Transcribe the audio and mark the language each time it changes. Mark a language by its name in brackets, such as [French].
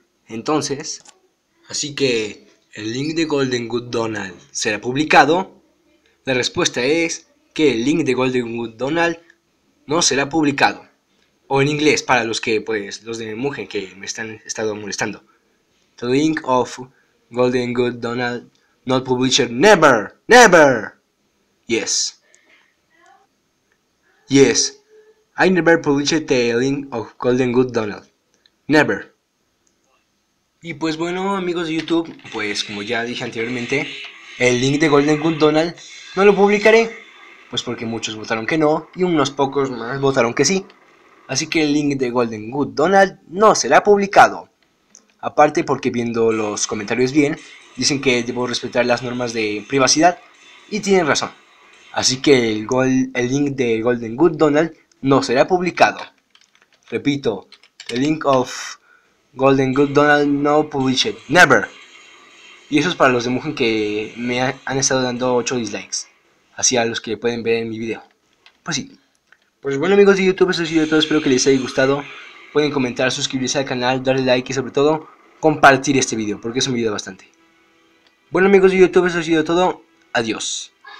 [Spanish] Entonces, así que el link de Golden Good Donald será publicado. La respuesta es que el link de Golden Good Donald no será publicado. O en inglés, para los que, pues, los de mujer que me están estado molestando. [English] The link of Golden Good Donald not published. Never, never. Yes. Yes, I never published the link of Golden Good Donald. Never. [Spanish] Y pues bueno, amigos de YouTube, pues como ya dije anteriormente, el link de Golden Good Donald no lo publicaré, pues porque muchos votaron que no y unos pocos más votaron que sí. Así que el link de Golden Good Donald no será publicado. Aparte porque viendo los comentarios bien, dicen que debo respetar las normas de privacidad y tienen razón. Así que el link de Golden Good Donald no será publicado. Repito, [English] the link of Golden Good Donald no published. Never. [Spanish] Y eso es para los de Mugen que me han estado dando 8 dislikes. Así a los que pueden ver en mi video. Pues sí. Pues bueno amigos de YouTube, eso ha sido todo. Espero que les haya gustado. Pueden comentar, suscribirse al canal, darle like y sobre todo compartir este video. Porque eso me ayuda bastante. Bueno amigos de YouTube, eso ha sido todo. Adiós.